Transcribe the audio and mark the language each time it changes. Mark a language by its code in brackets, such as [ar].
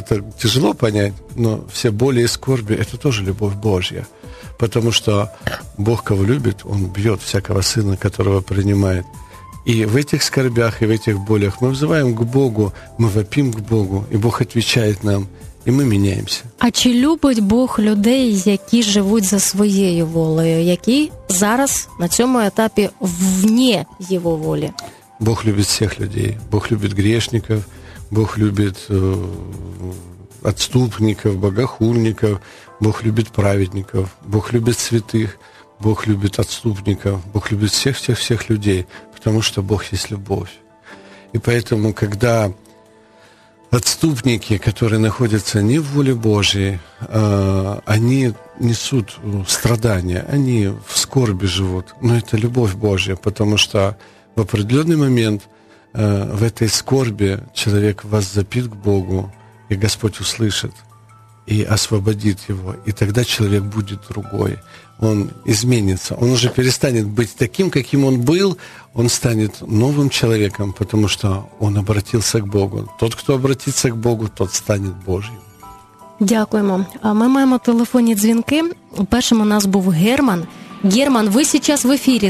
[ru] Это тяжело понять, но все боли и скорби – это тоже любовь Божья. Потому что Бог, кого любит, Он бьет всякого сына, которого принимает. И в этих скорбях и в этих болях мы взываем к Богу, мы вопим к Богу, и Бог отвечает нам, [uk] і ми міняємося. А чи любить Бог людей, які живуть за своєю волею, які зараз на цьому етапі вне його волі? Бог любить всіх людей. Бог любить грішників, Бог любить відступників, богохульників, Бог любить праведників, Бог любить святих, Бог любить відступників, Бог любить всіх людей, тому що Бог є любов. І тому, коли [ru] отступники, которые находятся не в воле Божьей, они несут страдания, они в скорби живут. Но это любовь Божья, потому что в определенный момент в этой скорби человек воззопит к Богу, и Господь услышит и освободит его. И тогда человек будет другой, он изменится. Он уже перестанет быть таким, каким он был, он станет новым человеком, потому что он обратился к Богу. Тот, кто обратится к Богу, тот станет Божьим. [uk] Дякуємо. А ми маємо телефонні дзвінки. Першим у нас був Герман. Герман, ви [ru] сейчас [uk] в ефірі.